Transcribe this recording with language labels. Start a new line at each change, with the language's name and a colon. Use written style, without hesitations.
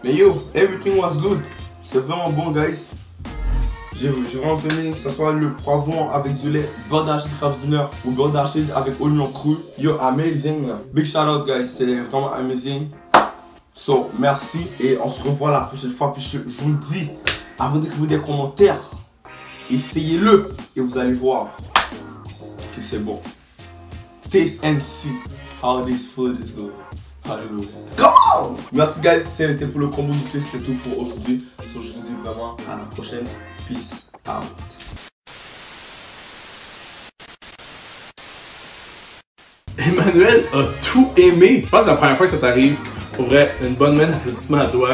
French: Mais yo,
English: everything was good.
French: C'est vraiment bon, guys. J'ai vraiment aimé que ce soit le poivron avec du lait, beurre d'arachide Kraft Dinner ou beurre d'arachide avec oignon cru. Yo, amazing.
English: Big shout out, guys.
French: C'est vraiment amazing. So, merci et on se revoit la prochaine fois. Puis je vous le dis, avant d'écrire des commentaires, essayez-le et vous allez voir que c'est bon.
English: Taste and see how this food is good.
French: Hallelujah.
English: Come on!
French: Merci, guys. C'était pour le combo du test. C'était tout pour aujourd'hui. So, je vous dis vraiment à la prochaine.
English: Peace out.
French: Emmanuel a tout aimé. Je pense que c'est la première fois que ça t'arrive. Pour vrai, une bonne main d'applaudissement à toi.